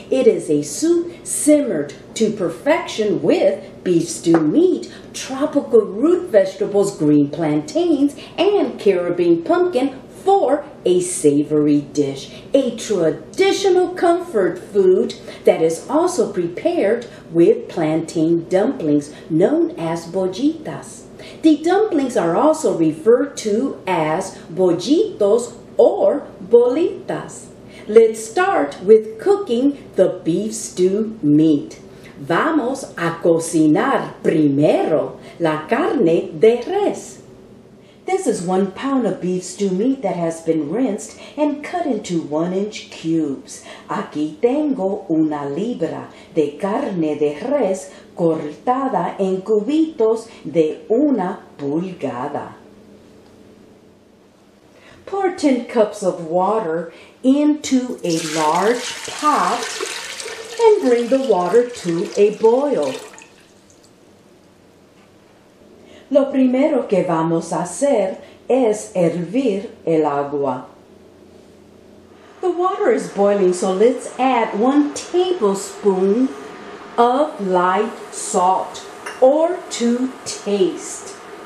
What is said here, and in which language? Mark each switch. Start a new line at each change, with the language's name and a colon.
English: It is a soup simmered to perfection with beef stew meat, tropical root vegetables, green plantains, and Caribbean pumpkin for a savory dish, a traditional comfort food that is also prepared with plantain dumplings known as bollitas. The dumplings are also referred to as bollitos or bolitas. Let's start with cooking the beef stew meat.
Spanish: Vamos a cocinar primero la carne de res.
English: This is 1 pound of beef stew meat that has been rinsed and cut into 1-inch cubes.
Spanish: Aquí tengo una libra de carne de res cortada en cubitos de una pulgada.
English: Pour 10 cups of water into a large pot and bring the water to a boil.
Spanish: Lo primero que vamos a hacer es hervir el agua.
English: The water is boiling, so let's add 1 tablespoon of light salt or to taste.